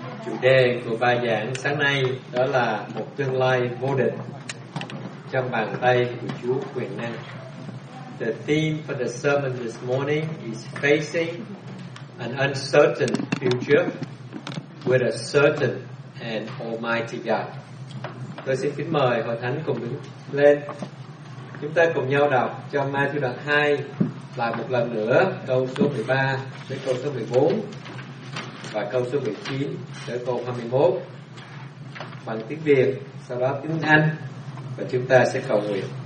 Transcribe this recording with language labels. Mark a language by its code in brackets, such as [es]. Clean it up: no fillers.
[vi] chủ đề của bài giảng sáng nay đó là một tương lai vô định trong bàn tay của Chúa quyền năng. [en] The theme for the sermon this morning is facing an uncertain future with a certain and almighty God. [vi] Tôi xin kính mời hội thánh cùng đứng lên. Chúng ta cùng nhau đọc trong Matthew đoạn 2 lại một lần nữa, câu số 13 đến câu số 14 và câu số 19 tới câu 21 bằng tiếng Việt, sau đó tiếng Anh, và chúng ta sẽ cầu nguyện.